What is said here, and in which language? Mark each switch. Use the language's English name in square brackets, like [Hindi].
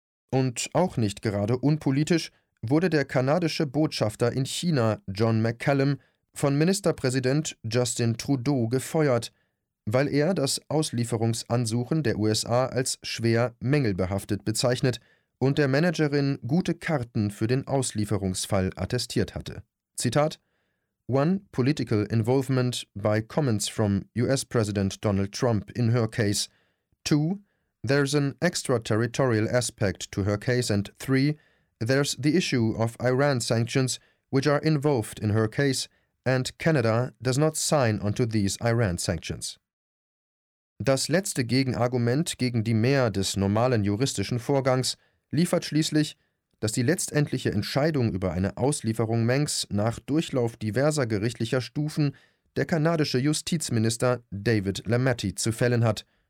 [German] Und auch nicht gerade unpolitisch wurde der kanadische Botschafter in China, John McCallum, von Ministerpräsident Justin Trudeau gefeuert, weil er das Auslieferungsansuchen der USA als schwer mängelbehaftet bezeichnet und der Managerin gute Karten für den Auslieferungsfall attestiert hatte. [English] Zitat: "One political involvement by comments from US President Donald Trump in her case. Two, there's an extraterritorial aspect to her case and three, there's the issue of Iran sanctions which are involved in her case and Canada does not sign onto these Iran sanctions." [German] Das letzte Gegenargument gegen die Mehr des normalen juristischen Vorgangs liefert schließlich, dass die letztendliche Entscheidung über eine Auslieferung Mengs nach Durchlauf diverser gerichtlicher Stufen der kanadische Justizminister David Lametti zu fällen hat.